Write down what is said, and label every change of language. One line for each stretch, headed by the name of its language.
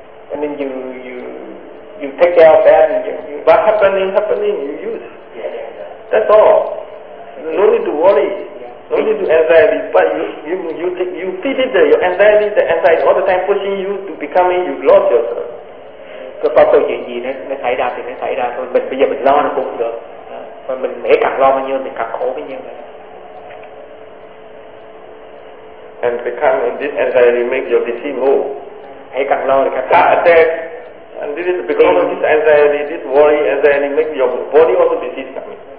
English: And then you take care of that. What happening, you use. That's all. No need to worry. No need to anxiety, but you feel it, your anxiety, the anxiety all the time pushing you to becoming, you lost yourself.
Vietnamese: Cứ có câu chuyện gì nó xảy ra thì nó xảy ra thôi. Mình bây giờ mình lo nó cũng không được. Mà mình hãy càng lo bao nhiêu mình càng khổ bao nhiêu.
English: And becoming this anxiety make your disease more.
Vietnamese: Hãy càng lo thì càng
English: heart attack. And this is because of this anxiety, this worry anxiety make your body also disease coming.